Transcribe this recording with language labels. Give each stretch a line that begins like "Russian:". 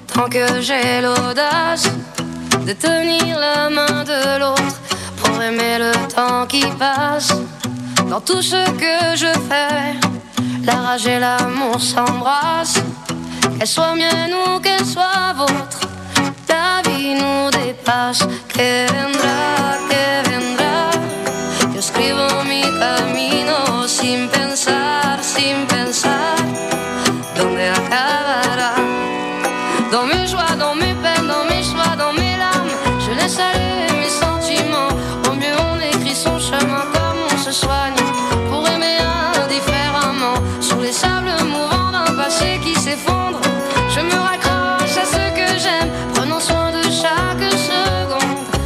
French: Que j'ai l'audace de tenir la main de l'autre pour aimer le temps qui passe. Dans tout ce que je fais, la rage et l'amour s'embrassent. Qu'elle soit mienne ou qu'elle soit vôtre, ta vie nous dépasse.
Spanish: Que vendra, que vendra. Yo escribo mi camino sin pensar, sin pensar. ¿Dónde acabará?
French: Dans mes joies, dans mes peines, dans mes choix, dans mes larmes, je laisse aller mes sentiments. Au mieux on écrit son chemin comme on se soigne pour aimer indifféremment. Sous les sables mouvants d'un passé qui s'effondre, je me raccroche à ce que j'aime, prenant soin de chaque seconde.